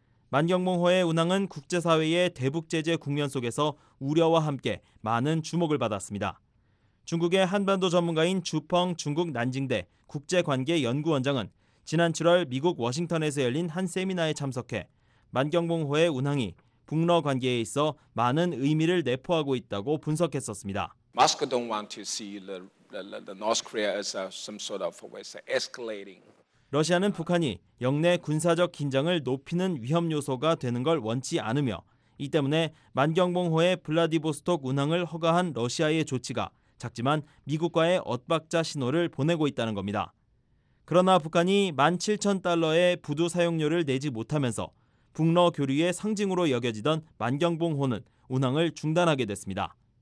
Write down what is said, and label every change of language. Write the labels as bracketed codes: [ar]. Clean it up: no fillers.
[ko] 만경봉 호의 운항은 국제사회의 대북 제재 국면 속에서 우려와 함께 많은 주목을 받았습니다. 중국의 한반도 전문가인 주펑 중국 난징대 국제관계연구원장은 지난 7월 미국 워싱턴에서 열린 한 세미나에 참석해 만경봉 호의 운항이 북러 관계에 있어 많은 의미를 내포하고 있다고 분석했었습니다. [en] Moscow don't want to see the North Korea as some sort of escalating. [ko] 러시아는 북한이 역내 군사적 긴장을 높이는 위험 요소가 되는 걸 원치 않으며 이 때문에 만경봉 호의 블라디보스톡 운항을 허가한 러시아의 조치가 작지만 미국과의 엇박자 신호를 보내고 있다는 겁니다. 그러나 북한이 17,000달러의 부두 사용료를 내지 못하면서 북러 교류의 상징으로 여겨지던 만경봉 호는 운항을 중단하게 됐습니다.